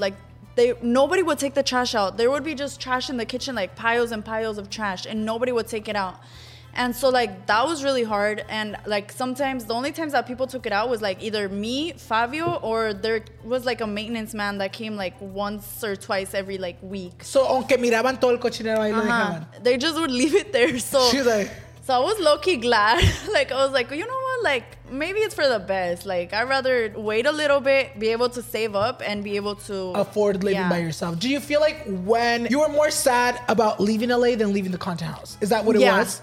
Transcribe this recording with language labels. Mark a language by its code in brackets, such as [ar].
[en] Like nobody would take the trash out. There would be just trash in the kitchen, like piles and piles of trash, and nobody would take it out. And so like that was really hard. And like sometimes the only times that people took it out was like either me, Fabio, or there was like a maintenance man that came like once or twice every like week. [es] So aunque miraban todo el cochinero ahí lo dejaban. [en] They just would leave it there. So she's like, so I was low-key glad. Like I was like, you know what? like, maybe it's for the best. Like, I'd rather wait a little bit, be able to save up, and be able to afford living by yourself. Do you feel like when you were more sad about leaving LA than leaving the content house? Is that what it was?